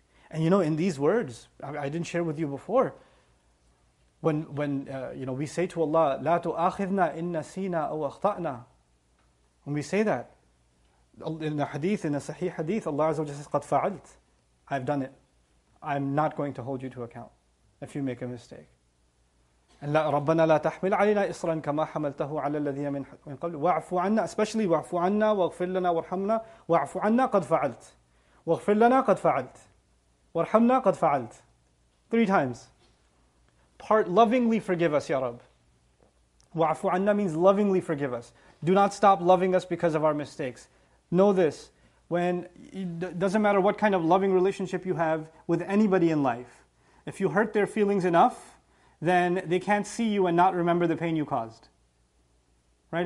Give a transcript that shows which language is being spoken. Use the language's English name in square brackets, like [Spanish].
[English] And you know, in these words, I didn't share with you before, when we say to Allah, [Arabic] لَا تُؤَخِذْنَا إِن نَسِينَا أَوْ أَخْطَأْنَا. [English] When we say that, in the hadith, in the sahih hadith, Allah Azza wa Jalla says, [Arabic] قَدْ فَعَلْتْ. [English] I've done it. I'm not going to hold you to account if you make a mistake. And [Arabic] رَبَّنَا لَا تَحْمِلْ عَلِيْنَا إِصْرًا كَمَا حَمَلْتَهُ عَلَى الَّذِينَ مِنْ قَبْلِ وَاعْفُ عَنَّا, [English] especially [Arabic] وَاعْفُ عَنَّا وَاغْفِرْ لَنَا وَارْحَمْنَا وَاعْفُ عَنَّا قَدْ فَعَلْتْ وَاغْفِرْ لَنَا قَدْ فَعَلْتْ وَارْحَمْنَا قَدْ فَعَلْتْ. [English] Three times. Part, lovingly forgive us, Ya Rab. [Arabic] وَاعْفُ عَنَّا [English] means lovingly forgive us. Do not stop loving us because of our mistakes. Know this, when it doesn't matter what kind of loving relationship you have with anybody in life, if you hurt their feelings enough, then they can't see you and not remember the pain you caused. Right?